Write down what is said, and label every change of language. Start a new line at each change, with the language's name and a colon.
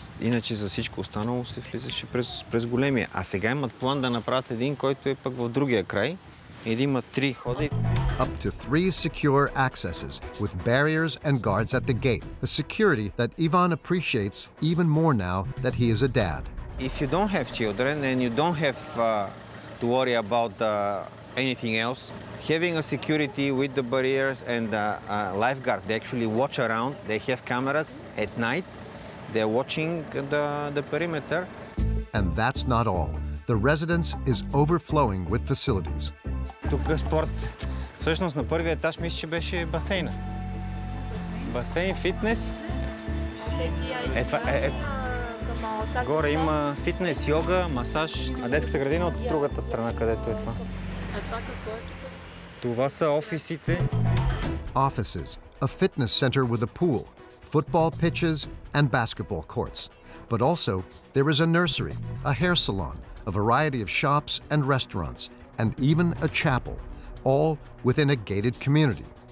Bulgarian: Иначе за всичко останало се влизаше през големия. А сега имат план да направят един, който е пък в другия край. Един има три хода.
English: Up to three secure accesses with barriers and guards at the gate. A security that Ivan appreciates even more now that he is a dad. If you don't have children and you don't have to worry about anything else, having a security with the barriers and the lifeguards, they actually watch around, they have cameras at night. They're watching the perimeter. And that's not all. The residence is overflowing with facilities.
Bulgarian: Тук спорт. Всъщност на първия етаж мисля, че беше басейна. Басейн, фитнес. Горе има фитнес, йога, масаж. А детската градина от другата страна, където е това. Това са офисите.
English: Offices, a fitness center with a pool, football pitches, and basketball courts. But also, there is a nursery, a hair salon, a variety of shops and restaurants, and even a chapel, all within a gated community.